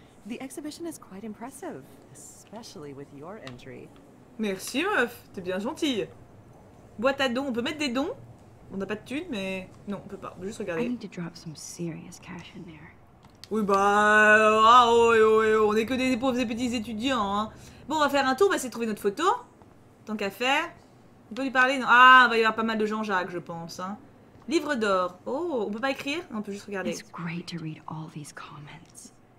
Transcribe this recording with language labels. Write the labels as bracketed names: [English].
[English] The exhibition is quite impressive, especially with your entry. [French] Merci, meuf. T'es bien gentille. Boîte à dons. On peut mettre des dons? On n'a pas de thunes, mais non, on peut pas. On peut juste regarder. [English] I need to drop some serious cash in there. [French] Oui, bah... Ah, on n'est que des pauvres et petits étudiants, hein. Bon, on va faire un tour, on va essayer de trouver notre photo. Tant qu'à faire. On peut lui parler, non? Ah, il va y avoir pas mal de Jean-Jacques, je pense, hein. Livre d'or. Oh, on peut pas écrire? Non, on peut juste regarder. [English] It's great to read all these comments.